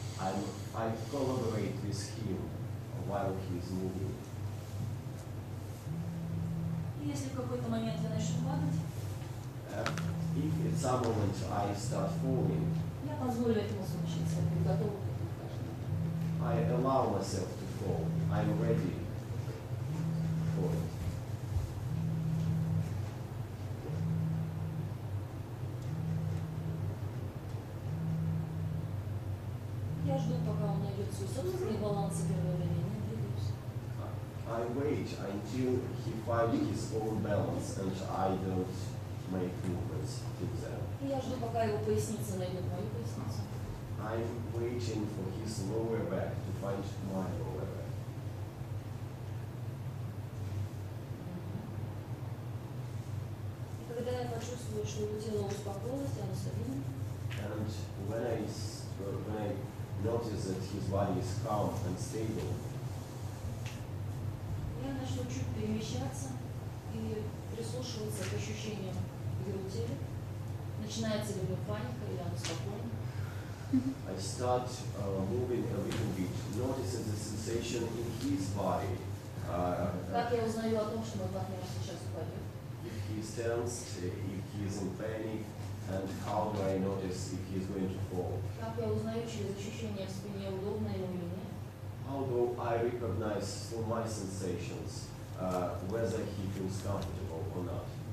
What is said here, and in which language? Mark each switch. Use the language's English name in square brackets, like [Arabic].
[English] I collaborate with him while he's moving. [Russian] И если в какой-то момент я начну падать, [English] if at some moment I start falling, [Russian] я позволю этому случиться, я готов к этому каждый день. [English] I allow myself to fall. I'm ready for it. [Russian] Я жду, пока он найдет свой собственный баланс и первое время не двигаюсь. [English] I wait until he finds his own balance and I don't make movements exactly. [Russian] Я жду, пока его поясница найдет мою поясницу. [English] I'm waiting for his lower back to find my lower back. [Russian] И когда я почувствую, что его тело успокоилось, оно стабильно. [English] And when I notice that his body is calm and stable, [Russian] я начну чуть перемещаться и прислушиваться к ощущениям. Начинается ли у него паника или оно спокойно? [English] I start moving a little bit, noticing the sensation in his body. [Russian] Как я узнаю о том, что мой партнер сейчас упадет? [English] If he is tensed, if he is in panic, and how do I notice if he is going to fall? [Russian] Как я узнаю через ощущение в спине, удобно ли ему? [English] How do I recognize from my sensations whether he feels comfortable or not?